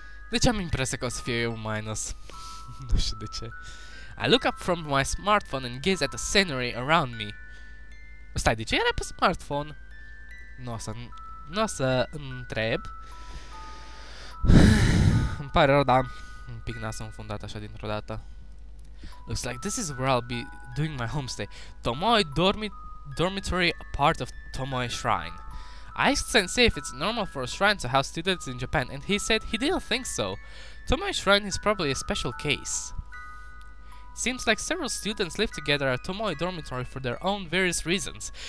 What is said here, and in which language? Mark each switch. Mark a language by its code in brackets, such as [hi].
[ro] De ce am impresia că o să fie eu minus? Nu știu de ce. [en] I look up from my smartphone and gaze at the scenery around me. [ro] Stai, de ce era pe smartphone? N-o să întreb. Îmi pare rău, dar un pic n-a s-a înfundat așa dintr-o dată. [en] Looks like this is where I'll be doing my homestay. Tomoe dormitory, a part of Tomoe Shrine. I asked Sensei if it's normal for a shrine to house students in Japan, and he said he didn't think so. Tomoe Shrine is probably a special case. Seems like several students live together at Tomoe Dormitory for their own various reasons.